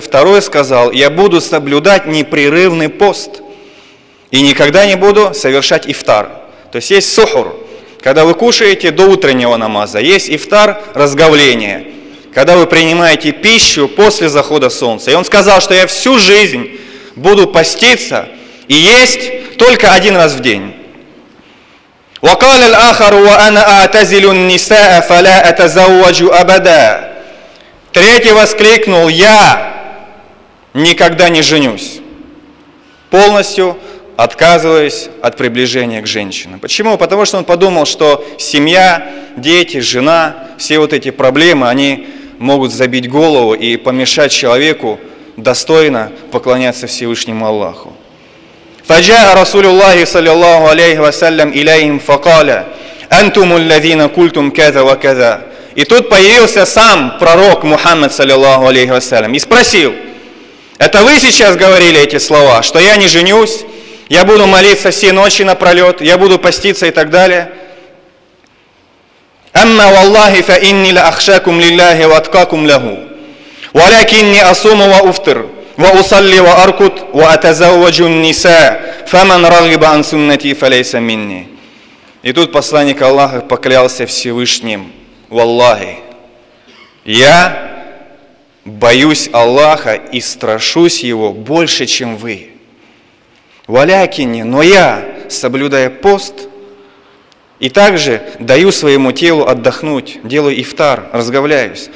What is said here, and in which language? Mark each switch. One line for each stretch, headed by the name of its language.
Russian: Второй сказал: «Я буду соблюдать непрерывный пост и никогда не буду совершать ифтар». То есть есть сухур, когда вы кушаете до утреннего намаза, есть ифтар, разговление, когда вы принимаете пищу после захода солнца. И он сказал, что я всю жизнь буду поститься и есть только один раз в день.
Arabic: وقال الآخر وأنا أعتزل النساء فلا أتزوج أبدا.
Russian: Третий воскликнул: «Я никогда не женюсь», полностью отказываясь от приближения к женщинам. Почему? Потому что он подумал, что семья, дети, жена, все вот эти проблемы, они могут забить голову и помешать человеку достойно поклоняться Всевышнему Аллаху.
Arabic: فجاء رسول الله صلى الله عليه وسلم إليهم فقال أنتم الذين قلتم كذا وكذا.
Russian: И тут появился сам пророк Мухаммад, саллиллаху алейхи вассалям, и спросил: это вы сейчас говорили эти слова, что я не женюсь, я буду молиться все ночи напролет, я буду поститься и так далее.
Arabic: أما والله فإني لأخشاكم لله وأتقاكم له ولكني أصوم وأفطر وأصلي وأركض وأتزوج النساء فمن رغب عن سنتي فليس مني.
Russian: И тут посланник Аллаха поклялся Всевышним: «Валлахи, я боюсь Аллаха и страшусь Его больше, чем вы. Валякини, но я, соблюдая пост, и также даю своему телу отдохнуть, делаю ифтар, разговляюсь.